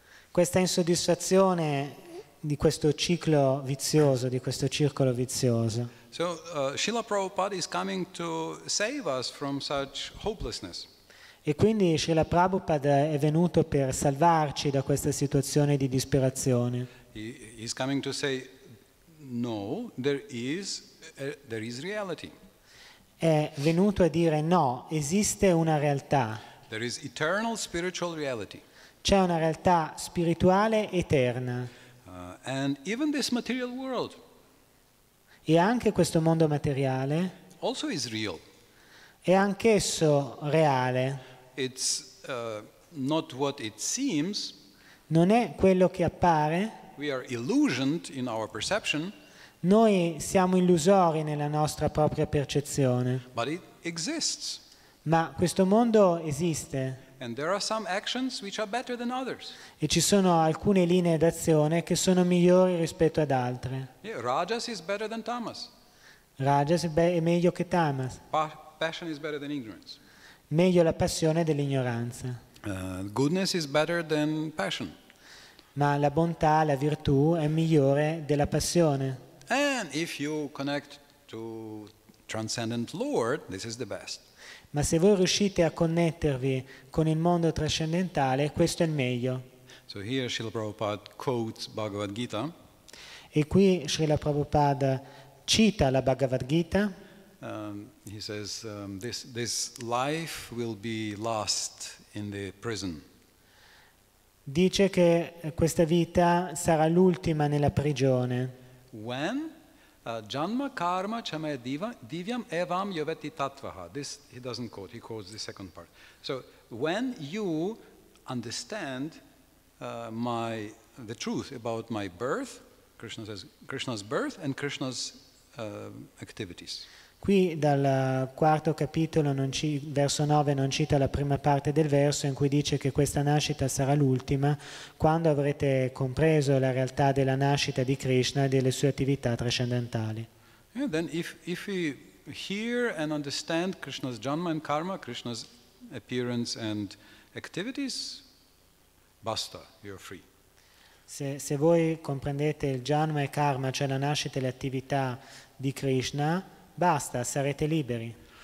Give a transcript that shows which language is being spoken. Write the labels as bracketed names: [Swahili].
[Italian] Questa insoddisfazione di questo ciclo vizioso, di questo circolo vizioso. [English] So Srila Prabhupada is coming to save us from such hopelessness. [Italian] E quindi Srila Prabhupada è venuto per salvarci da questa situazione di disperazione. [English] He's coming to say no, there is reality. [Italian] È venuto a dire no, esiste una realtà. [English] There is eternal spiritual reality. [Italian] C'è una realtà spirituale eterna. [English] And even this material world. [Italian] E anche questo mondo materiale [English] also is real. [Italian] È anch'esso reale. [English] It's not what it seems. [Italian] Non è quello che appare. [English] We are illusioned in our perception. [Italian] Noi siamo illusori nella nostra propria percezione. [English] But it exists. [Italian] Ma questo mondo esiste. [English] And there are some actions which are better than others. [Italian] E ci sono alcune linee d'azione che sono migliori rispetto ad altre. [English] Yeah, Rajas is better than Tamas. [Italian] Rajas è meglio che Tamas. [English] Passion is better than ignorance. [Italian] Meglio la passione dell'ignoranza. [English] Goodness is better than passion. [Italian] Ma la bontà, la virtù è migliore della passione. [English] And if you connect to transcendent Lord, this is the best. [Italian] Ma se voi riuscite a connettervi con il mondo trascendentale, questo è il meglio. [English] So here Srila Prabhupada quotes Bhagavad Gita. [Italian] E qui Srila Prabhupada cita la Bhagavad Gita. [English] He says this life will be lost in the prison. [Italian] Dice che questa vita sarà l'ultima nella prigione. [Sanskrit] When janma karma chame divyam evam yovati tattvaha. [English] This he doesn't quote, he quotes the second part. So when you understand the truth about my birth, Krishna says Krishna's birth and Krishna's activities. [Italian] Qui dal quarto capitolo, verso 9, non cita la prima parte del verso in cui dice che questa nascita sarà l'ultima quando avrete compreso la realtà della nascita di Krishna e delle sue attività trascendentali. [English] Yeah, then if we hear and understand Krishna's janma and karma, Krishna's appearance and activities, basta, you're free. [Italian] Se voi comprendete il janma e karma, cioè la nascita e le attività di Krishna, basta, sarete liberi.